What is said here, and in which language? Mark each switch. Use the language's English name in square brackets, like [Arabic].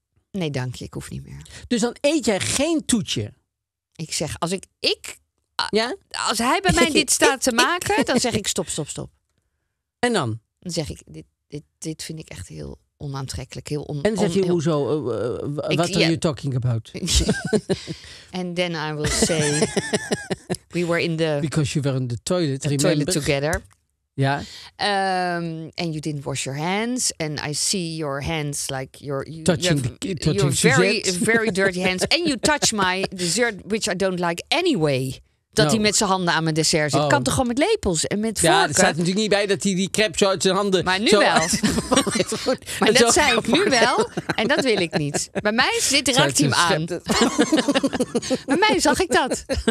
[Dutch] Nee, dank je. Ik hoef niet meer. Dus dan eet jij geen toetje? Ik zeg, als ik... Ja? Als hij bij mij dit staat te maken, dan zeg ik stop, stop, stop. En dan? Dan zeg ik, dit vind ik echt heel onaantrekkelijk. Heel en dan zeg je, heel... hoezo, [English] what are you talking about? And then I will say, we were in the... Because you were in the toilet, remember? Toilet together. [Dutch] Ja. [English] And you didn't wash your hands. And I see your hands like you're... Touching your very, very dirty hands. And you touch my dessert, which I don't like anyway. [Dutch] Dat hij met zijn handen aan mijn dessert zit. Oh. Kan toch gewoon met lepels en met vorken? Ja, er staat natuurlijk niet bij dat hij die crêpe zo uit zijn handen... Maar nu wel. Maar dat zei ik nu wel. En dat wil ik niet. Bij mij zit de raakteam aan. Bij mij zag ik dat.